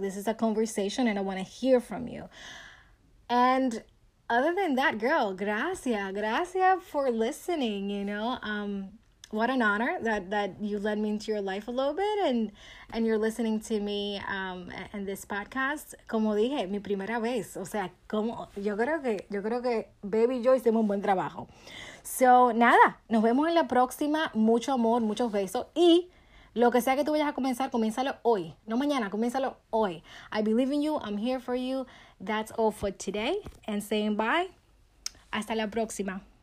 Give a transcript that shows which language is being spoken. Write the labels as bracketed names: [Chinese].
[English] This is a conversation and I want to hear from you. And other than that, girl, gracias for listening, you know. What an honor that you led me into your life a little bit and you're listening to me and this podcast. [Spanish] Como dije, mi primera vez. O sea, como yo creo que baby yo hicimos un buen trabajo. So, nada, nos vemos en la próxima. Mucho amor, muchos besos. Y lo que sea que tú vayas a comenzar, comiénzalo hoy. No mañana, comiénzalo hoy. [English] I believe in you. I'm here for you. That's all for today. And saying bye. [Spanish] Hasta la próxima.